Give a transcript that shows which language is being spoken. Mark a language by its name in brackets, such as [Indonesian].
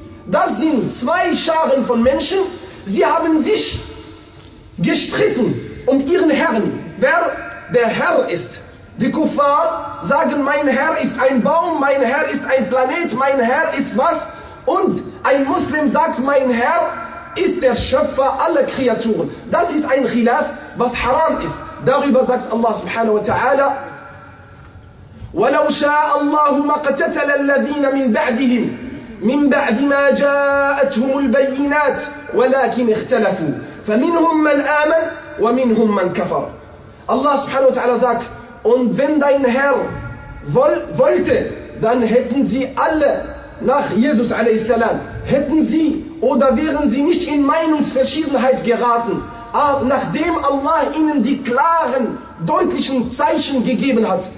[German] Das sind zwei Scharen von Menschen, sie haben sich gestritten um ihren Herrn, wer der Herr ist. Die Kuffar sagen, mein Herr ist ein Baum, mein Herr ist ein Planet, mein Herr ist was? Und ein Muslim sagt, mein Herr ist der Schöpfer aller Kreaturen. Das ist ein Khilaf, was haram ist. Darüber sagt Allah subhanahu wa ta'ala, [Arabic] وَلَوْ شَاءَ اللَّهُ مَقْتَتَلَ الَّذِينَ مِنْ بَعْدِهِمْ مِنْ بَعْدِ مَا جَاءَتْهُمُ الْبَيِّنَاتِ وَلَكِنْ اِخْتَلَفُوا فَمِنْهُمْ مَنْ آمَنْ وَمِنْهُمْ مَنْ كَفَرْ. [German] Allah subhanahu wa ta'ala sagt, und wenn dein Herr wollte, dann hätten sie alle nach Jesus a.s. hätten sie oder wären sie nicht in Meinungsverschiedenheit geraten, aber nachdem Allah ihnen die klaren, deutlichen Zeichen gegeben hat.